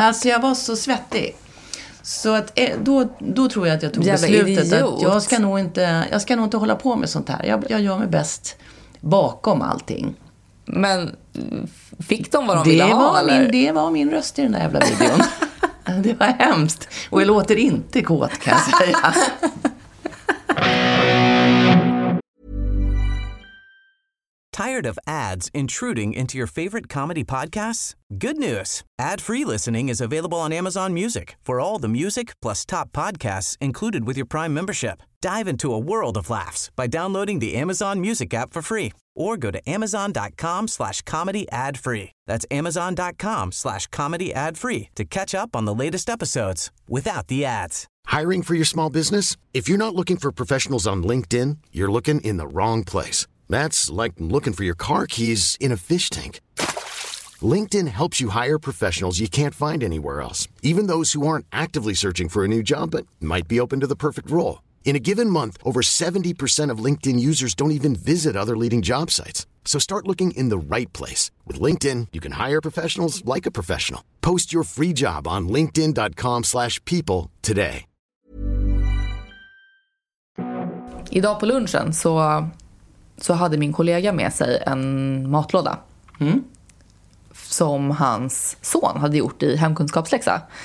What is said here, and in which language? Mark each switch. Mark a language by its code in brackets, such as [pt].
[sv] Alltså jag var så svettig. Så att, då tror jag att jag tog beslutet att jag ska nog inte hålla på med sånt här. Jag gör mig bäst bakom allting. Men fick de vad de det ville var ha min, eller? Det var min röst i den där jävla videon. Det var hemskt. Och jag låter inte kåt kan jag säga. [en] Tired of ads intruding into your favorite comedy podcasts? Good news! Ad-free listening is available on Amazon Music for all the music plus top podcasts included with your Prime membership. Dive into a world of laughs by downloading the Amazon Music app for free or go to amazon.com/comedyadfree. That's amazon.com/comedyadfree to catch up on the latest episodes without the ads. Hiring for your small business? If you're not looking for professionals on LinkedIn, you're looking in the wrong place. That's like looking for your car keys in a fish tank. LinkedIn helps you hire professionals you can't find anywhere else, even those who aren't actively searching for a new job but might be open to the perfect role. In a given month, over 70% of LinkedIn users don't even visit other leading job sites. So start looking in the right place. With LinkedIn, you can hire professionals like a professional. Post your free job on linkedin.com/people today. [sv] Idag på lunchen så hade min kollega med sig en matlåda som hans son hade gjort i hemkunskapsläxa.